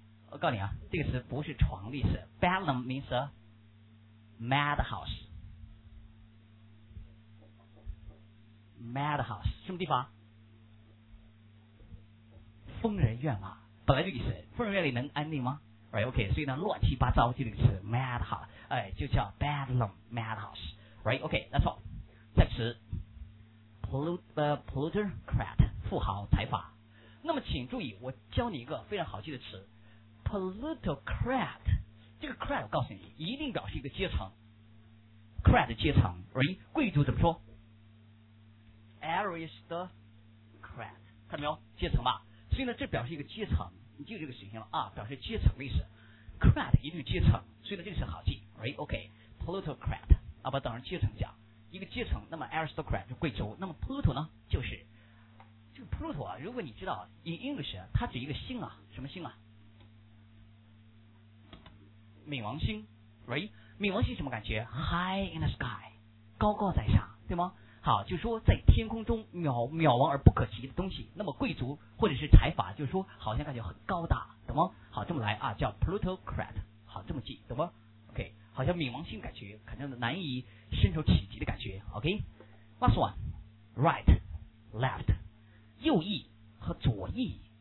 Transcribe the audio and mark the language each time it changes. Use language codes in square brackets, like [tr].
[zh] 我告诉你啊，这个词不是床的意思， [en] Bedlam means a madhouse， [zh] madhouse 什么地方？疯人院啊，本来这个意思，疯人院里能安定吗？ [en] right OK， [zh] 所以呢乱七八糟就这个词 [en] madhouse， [zh] 哎，就叫 [en] Bedlam madhouse right OK that's all。 [zh] 再词plutocrat 富豪财阀。那么请注意，我教你一个非常好记的词 plutocrat， 这个 crat 我告诉你一定表示一个阶层， crat 阶层 right， 贵族怎么说？ aristocrat， 看到没有阶层吧？所以呢这表示一个阶层，你记住这个形象了啊，表示阶层的意思， crat 一定是阶层，所以呢这个是好记 right OK plutocrat 啊，不等于阶层讲一个阶层，那么 aristocrat 就贵族，那么 pluto 呢就是这个 pluto 啊，如果你知道 [en] in English [zh] 它指一个星啊，什么星啊？冥王星 right， 冥王星什么感觉？ [en] high in the sky， [zh] 高高在上，对吗？好，就说在天空中渺茫而不可及的东西，那么贵族或者是财阀就是说好像感觉很高大，懂吗？好，这么来啊，叫 plutocrat， 好，这么记懂吗？好像冥王星感觉肯定难以伸手企及的感觉 OK [en] Last one Right Left [zh] 右翼和左翼。